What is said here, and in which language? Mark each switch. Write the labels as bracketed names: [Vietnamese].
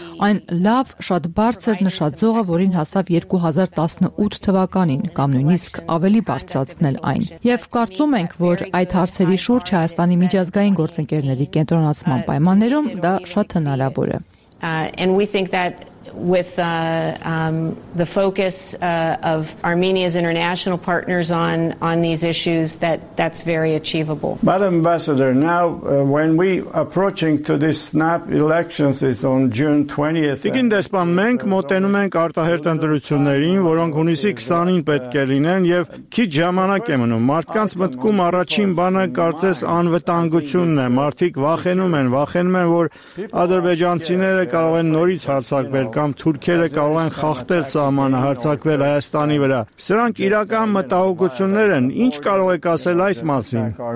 [Armenian] այն լավ, շատ բարձր նշաձողը, որին հասավ 2018 թվականին, կամ նույնիսկ ավելի բարձրացնել այն։ Եվ կարծում ենք, որ այդ հարցերի շուրջ Հայաստանի միջազգային գործընկերների կենտրոնացման պայմաններում դա շատ հնարավոր է։ [English] With the focus of Armenia's international partners on these issues, that's very achievable. Madam Ambassador, now when we approaching to this snap elections is on June 20th. [Armenian] Իգին դեսպան, մենք մոտենում ենք արտահերտ ընտրություններին, որոնք հունիսի 20-ին պետք է լինեն, եւ քիչ ժամանակ է մնում։ Մարդկանց մտքում առաջին բանը կարծես անվտանգությունն է։ Մարդիկ վախենում են, որ ադրբեջանցիները կարող են նորից հարձակվել, կամ թուրքերը կարող են խախտել սահմանը, հարձակվել Հայաստանի վրա։ Սրանք իրական մտահոգություններ են։ Ինչ կարող եք ասել այս մասին։